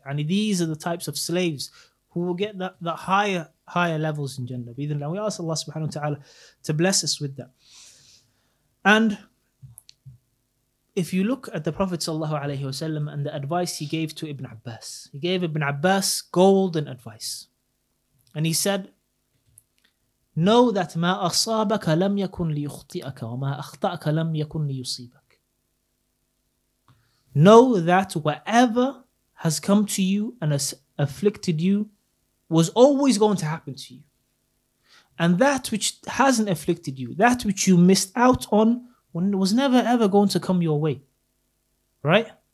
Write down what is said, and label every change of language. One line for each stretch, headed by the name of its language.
English: And these are the types of slaves who will get that higher levels in Jannah. We ask Allah subhanahu wa ta'ala to bless us with that. And if you look at the Prophet sallallahu alayhi wa sallam and the advice he gave to Ibn Abbas, he gave Ibn Abbas golden advice. And he said, know that
Arabic: ما أصابك لم يكن ليخطئك وما أخطأك لم يكن ليصيبك.
English: Know that whatever has come to you and has afflicted you was always going to happen to you. And that which hasn't afflicted you, that which you missed out on, was never ever going to come your way. Right?